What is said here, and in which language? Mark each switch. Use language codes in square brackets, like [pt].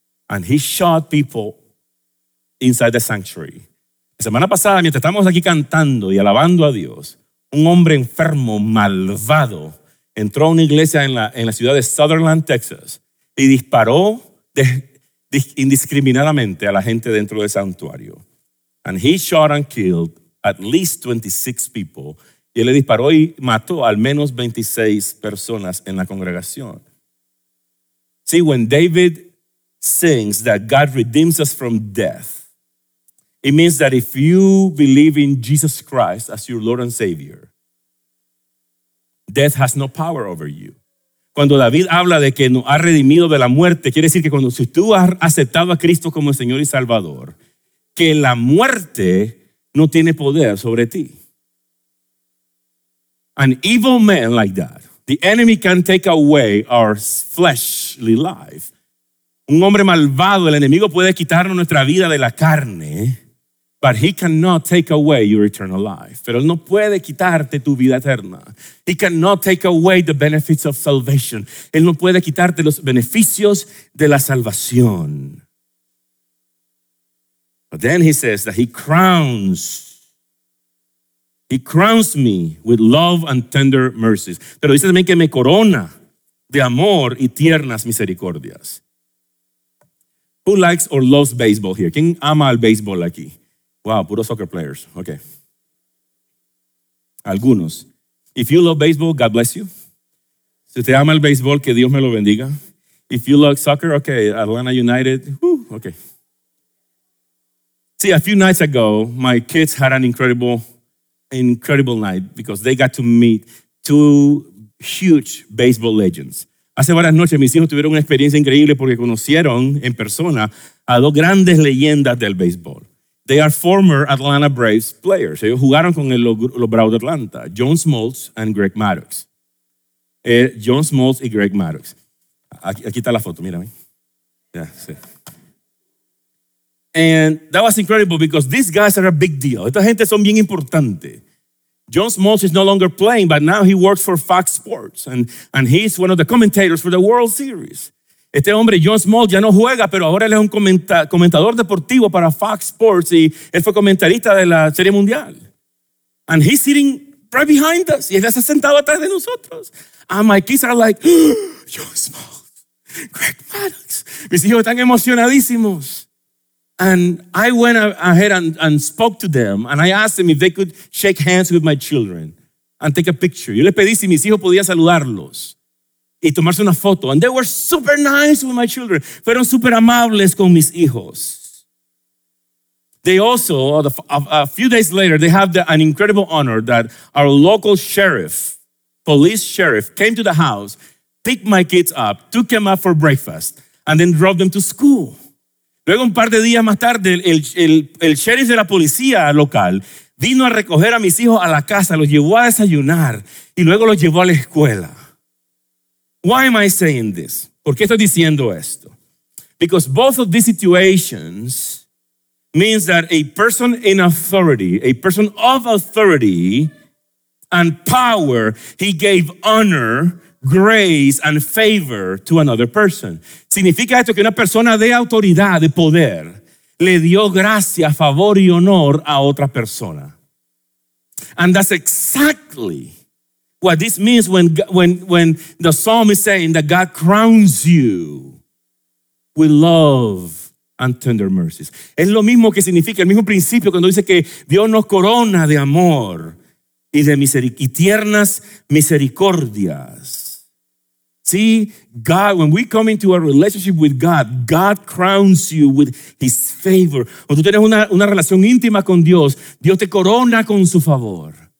[en] And he shot people inside the sanctuary. [es] La semana pasada, mientras estábamos aquí cantando y alabando a Dios, un hombre enfermo, malvado, entró a una iglesia en la ciudad de Sutherland, Texas, y disparó indiscriminadamente a la gente dentro del santuario. [en] And he shot and killed at least 26 people. [es] Y él le disparó y mató al menos 26 personas en la congregación. [en] See, when David sings that God redeems us from death, it means that if you believe in Jesus Christ as your Lord and Savior, death has no power over you. [es] Cuando David habla de que nos ha redimido de la muerte, quiere decir que cuando si tú has aceptado a Cristo como el Señor y Salvador, que la muerte no tiene poder sobre ti. [en] An evil man like that, the enemy can take away our fleshly life. [es] Un hombre malvado, el enemigo puede quitarnos nuestra vida de la carne, [en] but he cannot take away your eternal life. [es] Pero él no puede quitarte tu vida eterna. [en] He cannot take away the benefits of salvation. [es] Él no puede quitarte los beneficios de la salvación. [en] But then he says that he crowns me with love and tender mercies. [es] Pero dice también que me corona de amor y tiernas misericordias. [en] Who likes or loves baseball here? [es] ¿Quién ama el béisbol aquí? [en] Wow, puro soccer players. Okay. [es] Algunos. [en] If you love baseball, God bless you. [es] Si te ama el béisbol, que Dios me lo bendiga. [en] If you love soccer, okay, Atlanta United. Woo, okay. See, a few nights ago, my kids had an incredible night because they got to meet two huge baseball legends. [es] Hace varias noches, mis hijos tuvieron una experiencia increíble porque conocieron en persona a dos grandes leyendas del béisbol. [en] They are former Atlanta Braves players. [es] Ellos jugaron con los Bravos de Atlanta, [en] John Smoltz and Greg Maddux. [es] John Smoltz y Greg Maddux. Aquí está la foto, mírame. [en] Yeah, [es] sí. [en] And that was incredible because these guys are a big deal. [es] Esta gente son bien importante. [en] John Smoltz is no longer playing, but now he works for Fox Sports. And he's one of the commentators for the World Series. [es] Este hombre, John Smoltz, ya no juega, pero ahora él es un comentador deportivo para Fox Sports y él fue comentarista de la Serie Mundial. [en] And he's sitting right behind us. [es] Y él está sentado atrás de nosotros. [en] And my kids are like, John Smoltz, Greg Maddux. [es] Mis hijos están emocionadísimos. [en] And I went ahead and spoke to them and I asked them if they could shake hands with my children and take a picture. [es] Yo les pedí si mis hijos podían saludarlos y tomarse una foto. [en] And they were super nice with my children. [es] Fueron super amables con mis hijos. [en] They also, a few days later, they have an incredible honor that our local sheriff, police sheriff, came to the house, picked my kids up, took them up for breakfast, and then drove them to school. [es] Luego, un par de días más tarde, el sheriff de la policía local vino a recoger a mis hijos a la casa, los llevó a desayunar y luego los llevó a la escuela. [en] Why am I saying this? [es] ¿Por qué estoy diciendo esto? [en] Because both of these situations means that a person in authority, a person of authority and power, he gave honor, grace and favor to another person. [es] Significa esto que una persona de autoridad, de poder, le dio gracia, favor y honor a otra persona. [en] And that's exactly what this means when the psalm is saying that God crowns you with love and tender mercies. [es] Es lo mismo que significa, el mismo principio cuando dice que Dios nos corona de amor y de y tiernas misericordias. [en] See, God, when we come into a relationship with God, God crowns you with his favor. [es] Cuando tú tienes una relación íntima con Dios, Dios te corona con su favor.